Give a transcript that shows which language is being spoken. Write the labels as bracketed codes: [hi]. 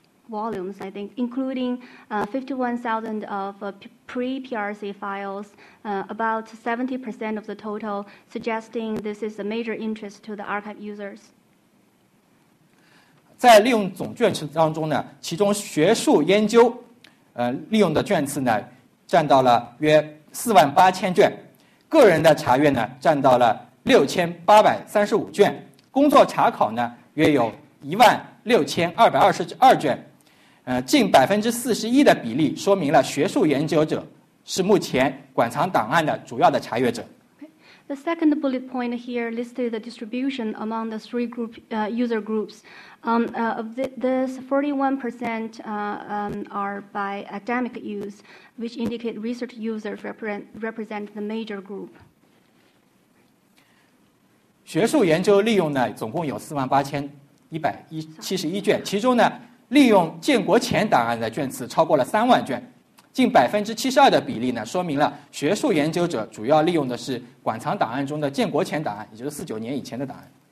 [en] Volumes, I think, including 51,000 of pre-PRC files, about 70% of the total, suggesting this is a major interest to the archive users. [zh] 在利用总卷次当中呢，其中学术研究，利用的卷次呢，占到了约48,000卷，个人的查阅呢，占到了6,835卷，工作查考呢，约有16,222卷。近41%的比例说明了学术研究者是目前馆藏档案的主要的查阅者。 [en] The second bullet point here listed the distribution among the three group, user groups. Of this, 41% are by academic use, which indicate research users represent the major group. [zh] 学术研究利用呢，总共有48,171卷，其中呢。利用建国前档案的卷次超过了30,000卷，近72%的比例呢，说明了学术研究者主要利用的是馆藏档案中的建国前档案，也就是49年以前的档案。